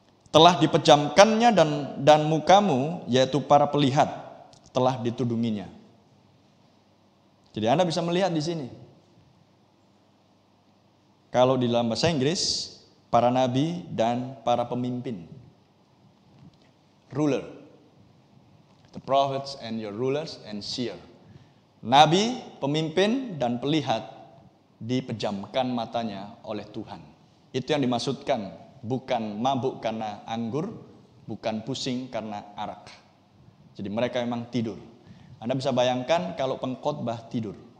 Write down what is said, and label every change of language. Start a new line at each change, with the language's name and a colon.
Indonesian: Telah dipejamkannya dan mukamu, yaitu para pelihat, telah ditudunginya. Jadi Anda bisa melihat di sini. Kalau di dalam bahasa Inggris, para nabi dan para pemimpin.
English: Ruler. The prophets and your rulers and seer.
Indonesian: Nabi, pemimpin, dan pelihat dipejamkan matanya oleh Tuhan. Itu yang dimaksudkan. Bukan mabuk karena anggur, bukan pusing karena arak. Jadi mereka memang tidur. Anda bisa bayangkan kalau pengkhotbah tidur.